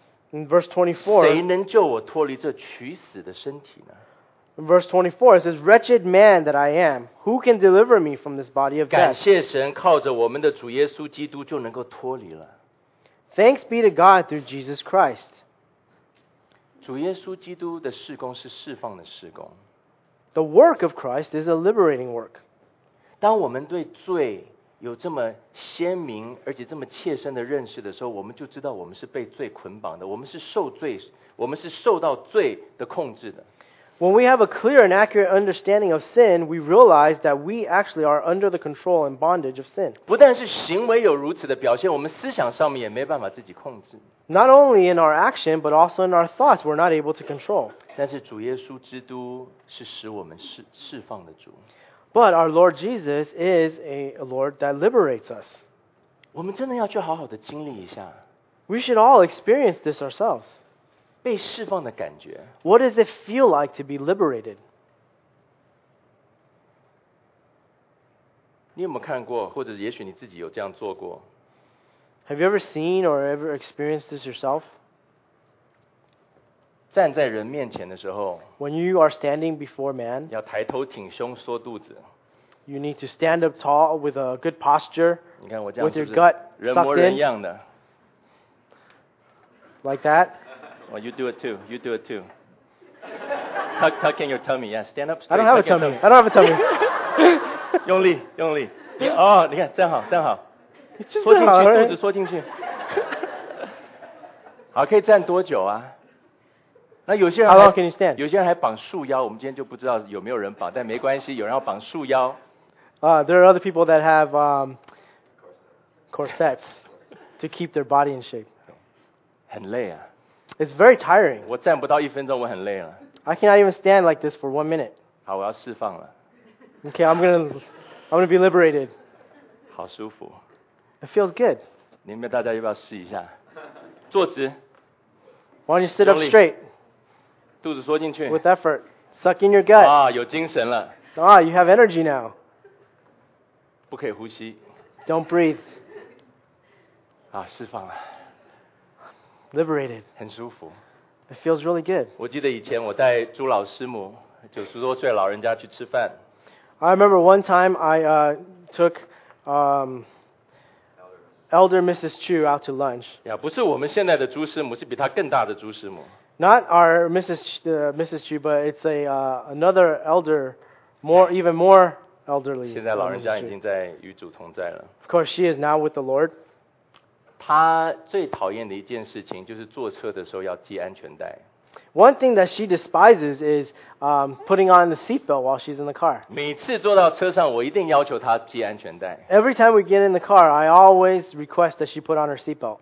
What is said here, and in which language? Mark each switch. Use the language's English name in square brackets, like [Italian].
[English] In verse 24, [Chinese] 谁能救我脱离这取死的身体呢？ [English] In verse 24, it says, wretched man that I am, who can deliver me from this body of death? [Chinese] 感谢神，靠着我们的主耶稣基督就能够脱离了。 [English] Thanks be to God through Jesus Christ. [Chinese] 主耶稣基督的事工是释放的事工。 [English] The work of Christ is a liberating work. [Chinese] 当我们对罪有这么鲜明而且这么切身的认识的时候，我们就知道我们是被罪捆绑的，我们是受罪，我们是受到罪的控制的。 [English] When we have a clear and accurate understanding of sin, we realize that we actually are under the control and bondage of sin. [Chinese] 不但是行为有如此的表现，我们思想上面也没办法自己控制。 [English] Not only in our action, but also in our thoughts, we're not able to control. [Chinese] 但是主耶稣基督是使我们释放的主。 [English] But our Lord Jesus is a Lord that liberates us. [Chinese] 我们真的要去好好的经历一下。 [English] We should all experience this ourselves. [Chinese] 被释放的感觉。 [English] What does it feel like to be liberated? [Chinese] 你有没有看过，或者也许你自己有这样做过？ [English] Have you ever seen or ever experienced this yourself? [Chinese] 站在人面前的时候， [English] When you are standing before man, [Chinese] 要抬头挺胸缩肚子。 [English] You need to stand up tall with a good posture. [Chinese] 你看我这样是不是 [English] with your gut sucked in? [Chinese] 人模人样的。 [English] Like that? Well, you do it too. You do it too. Tuck in your tummy. Yeah, stand up. I don't have a tummy. I don't have a tummy. [Chinese] 用力，用力。哦，你看，正好，正好。缩进去，肚子缩进去。好，可以站多久啊？那有些人 [English] How long can you stand? [Chinese] 有些人还绑束腰，我们今天就不知道有没有人绑，但没关系，有人要绑束腰。 [English] There are other people that have corsets to keep their body in shape. [Chinese] 很累啊。 [English] It's very tiring. [Chinese] 我站不到一分钟，我很累了。 [English] I cannot even stand like this for 1 minute. [Chinese] 好，我要释放了。 [English] Okay, I'm gonna be liberated. [Chinese] 好舒服。 [English] It feels good. [Chinese] 你们大家要不要试一下？坐直。 [English] Why don't you sit up straight? [Chinese] 肚子缩进去。 [English] With effort, suck in your gut. [Chinese] 啊，有精神了。 [English] 啊， you have energy now. [Chinese] 不可以呼吸。 [English] Don't breathe. [Chinese] 啊，释放了。 [English] Liberated. [Chinese] 很舒服。 [English] It feels really good. [Chinese] 我记得以前我带朱老师母90多岁老人家去吃饭。 [English] I remember one time I took Elder Mrs. Chu out to lunch. [Chinese] 呀，不是我们现在的朱师母，是比她更大的朱师母。 [English] Not our Mrs. Chu, but it's a another elder, even more elderly. [Chinese] 现在老人家已经在与主同在了。 [English] Of course, she is now with the Lord. [Chinese] 她最讨厌的一件事情就是坐车的时候要系安全带。 [English] One thing that she despises is putting on the seatbelt while she's in the car. [Chinese] 每次坐到车上，我一定要求她系安全带。 [English] Every time we get in the car, I always request that she put on her seatbelt.